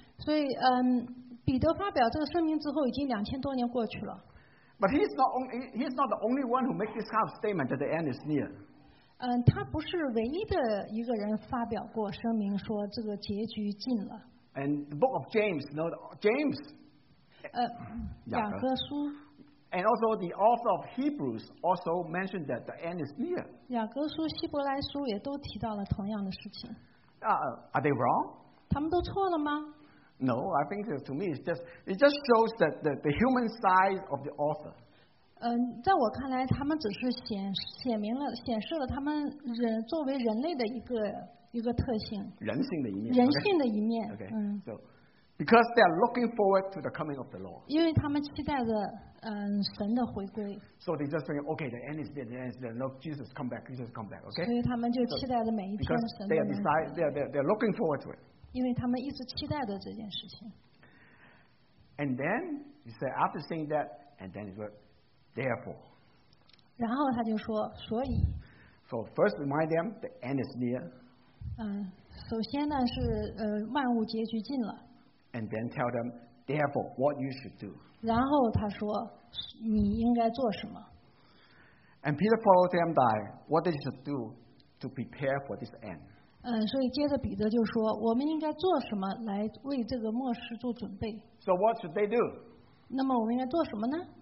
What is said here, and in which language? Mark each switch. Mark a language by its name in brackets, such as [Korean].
[Chinese] 所以彼得发表这个声明之后，已经两千多年过去了。 [English] But he's not the only one who makes this kind of statement that the end is near. [Chinese] 他不是唯一的一个人发表过声明说这个结局近了。 [English] And the book of James, you know, James. [Chinese] 雅各书。 [English] And also the author of Hebrews also mentioned that the end is near. [Chinese] 雅各书、希伯来书也都提到了同样的事情。 [English] Are they wrong? [Chinese] 他们都错了吗？ [English] No, I think to me it just shows that the human side of the author. [Chinese] 在我看来，他们只是显示了他们人作为人类的一个特性。人性的一面。人性的一面。 [English] Okay. Okay. So Because they are looking forward to the coming of the Lord. [Chinese] 因为他们期待着，神的回归。 [English] So they just thinking, okay, the end is near, the end is near. Look, Jesus, come back, Jesus, come back, okay? [Chinese] 所以他们就期待着每一天神的 [English] 回归。 Because they are looking forward to it. [Chinese] 因为他们一直期待着这件事情。 [English] And then he said, after saying that, and then he said, therefore. [Chinese] 然后他就说，所以。 [English] So first, remind them the end is near. [Chinese] 首先呢是万物结局近了。 [English] And then tell them, therefore, what you should do. [Chinese] 然后他说，你应该做什么？ [English] And Peter followed them by what they should do to prepare for this end. [Chinese] 所以接着彼得就说，我们应该做什么来为这个末世做准备？ [English] So what should they do? [Chinese] 那么我们应该做什么呢？